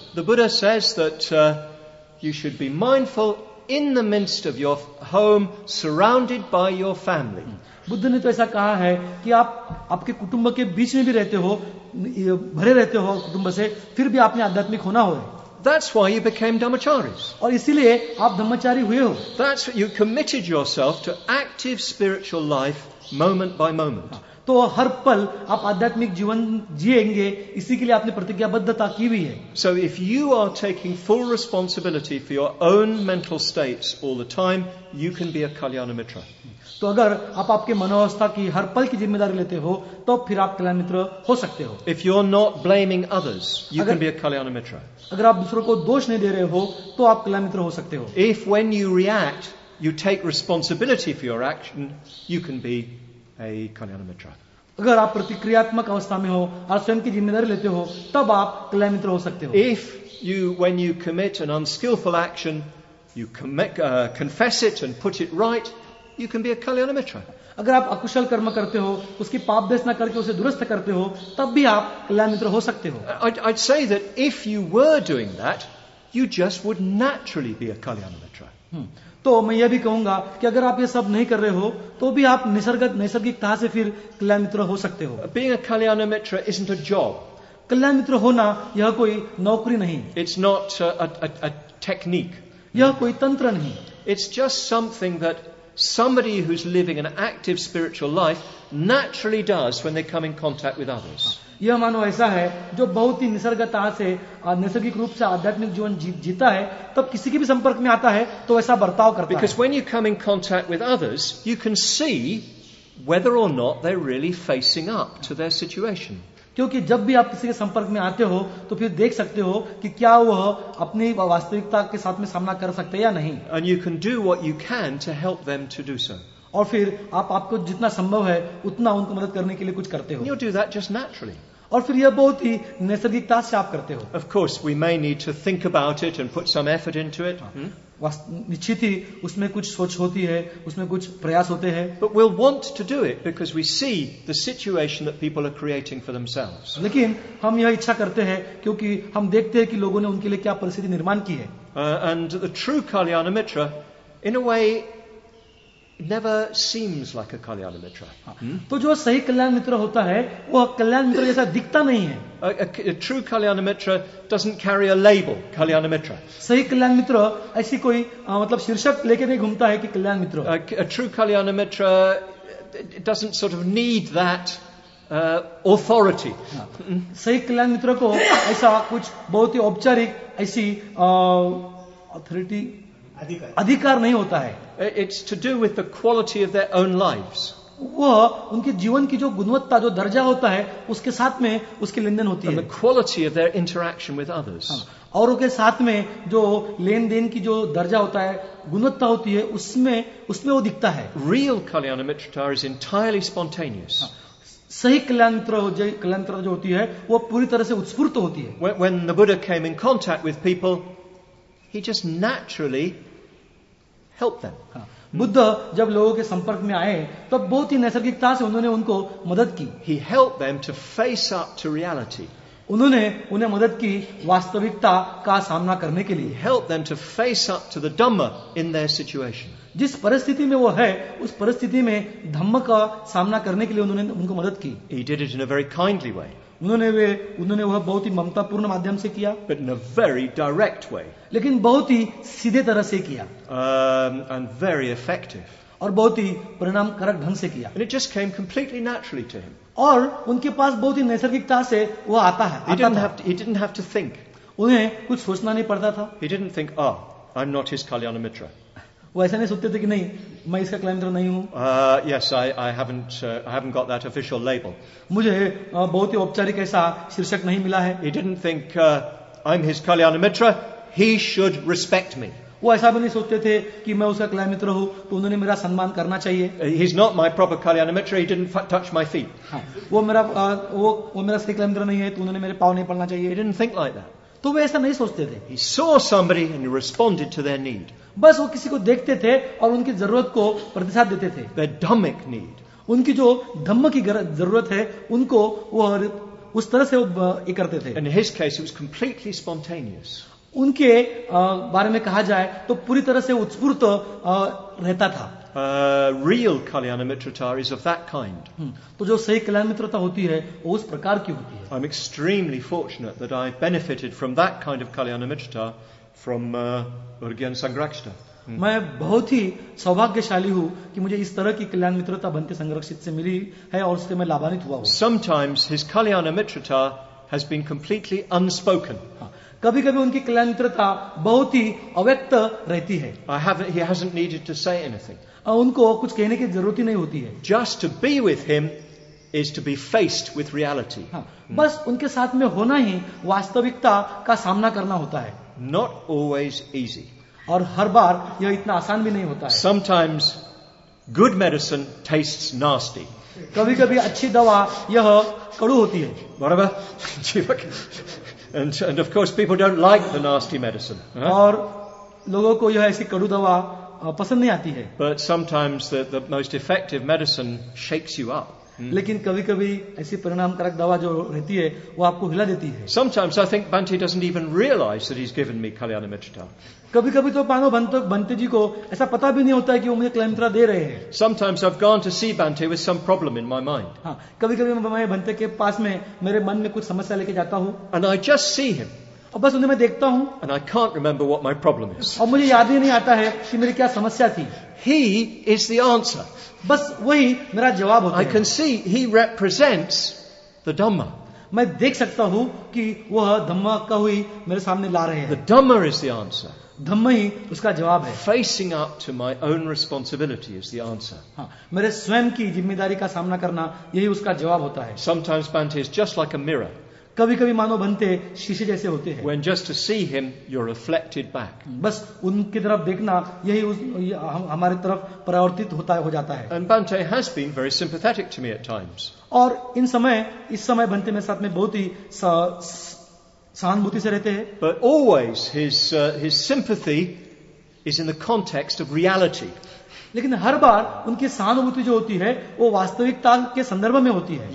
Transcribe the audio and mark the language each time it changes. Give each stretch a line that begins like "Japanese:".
English: The Buddha says that you should be mindful in the midst of your home, surrounded by your family.
Hindi: Buddha ने तो ऐसा कहा है कि आप आपके कुटुंब के बीच में भी रहते हो, भरे रहते हो कुटुंब से, फिर भी आपने आध्यात्मिक होना हो.
English: That's why you became Dhammacharis.
Hindi: और इसीलिए आप धम्मचारी हुए हो.
English: That's you committed yourself to active spiritual life, moment by moment.
Hindi: तो हर पल आप आध्यात्मिक जीवन जिएंगे इसी के लिए आपने प्रतिज्ञाबद्धता की हुई है.
English: So if you are taking full responsibility for your own mental states all the time, you can be a Kalyanamitra.
Hindi: तो अगर आप आपके मनोवस्था की हर पल की जिम्मेदारी लेते हो तो फिर आप कल्याण मित्र हो सकते हो.
English: If you're not blaming others, you can be a Kalyanamitra.
Hindi: अगर आप दूसरों को दोष नहीं दे रहे हो तो आप कल्याण मित्र हो सकते हो.
English: If when you react, you take responsibility for your action, you can be a Kalyanamitra.
Hindi: अगर आप प्रतिक्रियात्मक अवस्था में हो और स्वयं की जिम्मेदारी लेते हो तब आप कल्याण मित्र हो सकते हो.
English: If you, when you commit an unskillful action, you commit, confess it and put it right, you can be a Kalyanamitra.
Hindi: अगर आप अकुशल कर्म करते हो उसकी पाप देशना करके उसे दुरुस्त करते हो तब भी आप कल्याण मित्र हो सकते हो.
English: I'd say that if you were doing that, you just would naturally be a Kalyanamitra.
Hindi: तो मैं यह भी कहूंगा कि अगर आप ये सब नहीं कर रहे हो तो भी आप नैसर्गिकता से फिर कल्याण मित्र हो सकते हो.
English: Being a Kalyanamitra isn't a job.
Hindi: कल्याण मित्र होना यह कोई नौकरी नहीं.
English: It's not a technique.
Hindi: यह कोई तंत्र नहीं.
English: It's just something that somebody who's living an active spiritual life naturally does when they come in contact with others.
Hindi: यह मानो ऐसा है जो बहुत ही निसर्गता से नैसर्गिक रूप से आध्यात्मिक जीवन जीता है तब किसी के भी संपर्क में आता है तो ऐसा बर्ताव करता है.
English: Because when you come in contact with others, you can see whether or not they're really facing up to their situation.
Hindi: क्योंकि जब भी आप किसी के संपर्क में आते हो तो फिर देख सकते हो कि क्या वह अपनी वास्तविकता के साथ में सामना कर सकते हैं या नहीं.
English: And you can do what you can to help them to do so.
Hindi: और फिर आपको जितना संभव है उतना उनको मदद करने के लिए कुछ करते हो.
English: You do that just naturally.
Hindi: और फिर यह बहुत ही नैसर्गिकता से आप करते हो.
English: Of course, we may need to think about it and put some effort into it.
Hindi: निश्चित ही उसमें कुछ सोच होती है, उसमें कुछ प्रयास होते हैं.
English: But we'll want to do it because we see the situation that people are creating for themselves.
Hindi: लेकिन हम यह इच्छा करते हैं क्योंकि हम देखते हैं कि लोगों ने उनके लिए क्या परिस्थिति निर्माण की है.
English: And the true Kalyanamitra, in a way, never seems like a Kalyanamitra.
Hindi: तो जो सही कल्याण मित्र होता है वो कल्याण मित्र जैसा दिखता नहीं है.
English: A true Kalyanamitra doesn't carry a label, Kalyanamitra.
Hindi: सही कल्याण मित्र ऐसी कोई मतलब शीर्षक लेके नहीं घूमता है कि कल्याण मित्र.
English: A true Kalyanamitra doesn't sort of need that authority.
Hindi: सही कल्याण मित्र को ऐसा कुछ बहुत ही औपचारिक ऐसी authority अधिकार नहीं होता है.
English: It's to do with the quality of their own lives.
Hindi: वह उनके जीवन की जो गुणवत्ता जो दर्जा होता है उसके साथ में उसकी लेन देन होती है.
English: And the quality of their interaction with others.
Hindi: और उनके साथ में जो लेन देन की जो दर्जा होता है गुणवत्ता होती है उसमें वो दिखता है.
English: Real Kalyanamitra is entirely spontaneous.
Hindi: सही कल्याण मित्र जो होती है वो पूरी तरह से उत्स्फूर्त होती है.
English: When the Buddha came in contact with people, he just naturally helped them.
Hindi: Buddha, जब लोगों के संपर्क में आए तो बहुत ही नैसर्गिकता से उन्होंने उनको मदद की.
English: He helped them to face up to reality.
Hindi: उन्होंने उन्हें मदद की वास्तविकता का सामना करने के लिए.
English: He helped them to face up to the Dhamma in their situation.
Hindi: जिस परिस्थिति में वो है उस परिस्थिति में धम्म का सामना करने के लिए उन्होंने उनको मदद की.
English: He did it in a very kindly way.
Hindi: उन्होंने वह बहुत ही ममतापूर्ण माध्यम से किया.
English: But in a very direct way.
Hindi: लेकिन बहुत ही सीधे तरह से किया.
English: And very effective.
Hindi: और बहुत ही परिणामकारक ढंग से किया.
English: And it just came completely naturally to him.
Hindi: और उनके पास बहुत ही नैसर्गिकता से वो आता है.
English: He didn't have to think.
Hindi: उन्हें कुछ सोचना नहीं पड़ता था.
English: He didn't think, oh, I'm not his Kalyanamitra.
Hindi: वो ऐसा नहीं सोचते थे कि नहीं मैं इसका कल्याणमित्र नहीं हूँ.
English: Yes, I haven't got that official label.
Hindi: मुझे बहुत ही औपचारिक ऐसा शीर्षक नहीं मिला है.
English: He didn't think I'm his Kalyanamitra. He should respect me.
Hindi: वो ऐसा भी नहीं सोचते थे कि मैं उसका कल्याणमित्र हूँ तो उन्होंने मेरा सम्मान करना चाहिए.
English: He's not my proper Kalyanamitra. He didn't touch my feet.
Hindi: वो मेरा सही कल्याणमित्र नहीं है तो उन्होंने मेरे पाँव नहीं पड़ना चाहिए.
English: He didn't think like that.
Hindi: तो वे ऐसा नहीं सोचते थे.
English: He saw somebody and responded to their need.
Hindi: बस वो किसी को देखते थे और उनकी जरूरत को प्रतिसाद देते थे.
English: The dhammic need.
Hindi: उनकी जो धम्म की जरूरत है उनको वो उस तरह से वो ये करते थे.
English: In his case, it was completely spontaneous.
Hindi: उनके बारे में कहा जाए तो पूरी तरह से उत्स्फूर्त रहता था.
English: real Kalyanamitrata is of that kind.
Hindi: तो जो सही कल्याणमित्रता होती है वो उस प्रकार की होती है.
English: I'm extremely fortunate that I benefited from that kind of Kalyanamitrata from Urgyen Sangrakshita.
Hindi: मैं बहुत ही सौभाग्यशाली हूँ कि मुझे इस तरह की कल्याण मित्रता बनते संरक्षित से मिली है और उससे मैं लाभान्वित हुआ हूँ.
English: Sometimes his Kalyanamitrata has been completely unspoken.
Hindi: कभी कभी उनकी कल्याण मित्रता बहुत ही अव्यक्त रहती है.
English: He hasn't needed to say anything.
Hindi: उनको कुछ कहने की जरूरत ही नहीं होती है.
English: Just to be with him is to be faced with reality.
Hindi: बस उनके साथ में होना ही वास्तविकता का सामना करना होता है.
English: Not always easy.
Hindi: और हर बार यह इतना आसान भी नहीं होता है.
English: Sometimes good medicine tastes nasty.
Hindi: कभी कभी अच्छी दवा यह कड़ू होती है. बराबर जी.
English: And of course people don't like the nasty medicine.
Hindi: और लोगों को यह ऐसी कड़ू दवा पसंद नहीं आती है.
English: But sometimes the most effective medicine shakes you up.
Hindi: लेकिन कभी कभी ऐसी परिणामकारक दवा जो रहती है वो आपको हिला देती है.
English: Sometimes I think Bhante doesn't even realize that he's given me Kalyanamitrata.
Hindi: कभी कभी तो पानो बंते जी को ऐसा पता भी नहीं होता है कि वो मुझे कल्याणमित्रता दे रहे हैं.
English: Sometimes I've gone to see Bhante with some problem in my mind.
Hindi: कभी कभी मैं बंते के पास में मेरे मन में कुछ समस्या लेके जाता हूँ.
English: And I just see him.
Hindi: और बस उन्हें मैं देखता हूँ.
English: And I can't remember what my problem is.
Hindi: और मुझे याद ही नहीं आता है कि मेरी क्या समस्या थी.
English: He is the answer.
Hindi: बस वही मेरा जवाब होता है.
English: I can see he represents the Dhamma.
Hindi: मैं देख सकता हूँ कि वह धम्मा का हुई मेरे सामने ला रहे हैं.
English: The Dhamma is the answer.
Hindi: धम्म ही उसका जवाब है.
English: Facing up to my own responsibility is the answer.
Hindi: मेरे स्वयं की जिम्मेदारी का सामना करना यही उसका जवाब होता है.
English: Sometimes Bhante is just like a mirror.
Hindi: कभी कभी मानो बनते शीशे जैसे होते हैं.
English: When just to see him, you're reflected back.
Hindi: बस उनकी तरफ देखना यही हमारे तरफ परावर्तित होता हो जाता है.
English: And Bhante has been very sympathetic to me at times.
Hindi: और इस समय बनते मेरे साथ में बहुत ही सहानुभूति से रहते हैं.
English: But always his sympathy is in the context of reality.
Hindi: लेकिन हर बार उनकी सहानुभूति जो होती है वो वास्तविकता के संदर्भ में होती है.